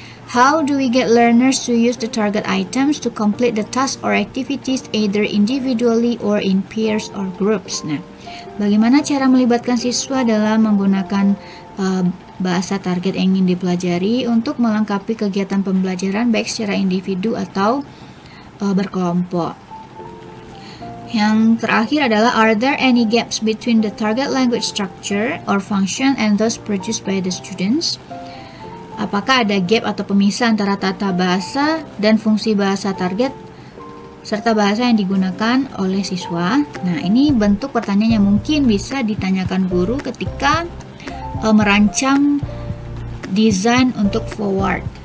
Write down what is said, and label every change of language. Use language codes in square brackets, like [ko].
[en] How do we get learners to use the target items to complete the task or activities either individually or in pairs or groups? [id] Nah, bagaimana cara melibatkan siswa dalam menggunakan bahasa target yang ingin dipelajari untuk melengkapi kegiatan pembelajaran baik secara individu atau berkelompok? Yang terakhir adalah, [en] are there any gaps between the target language structure or function and those produced by the students? [id] Apakah ada gap atau pemisah antara tata bahasa dan fungsi bahasa target serta bahasa yang digunakan oleh siswa? Nah, ini bentuk pertanyaan yang mungkin bisa ditanyakan guru ketika merancang desain untuk forward.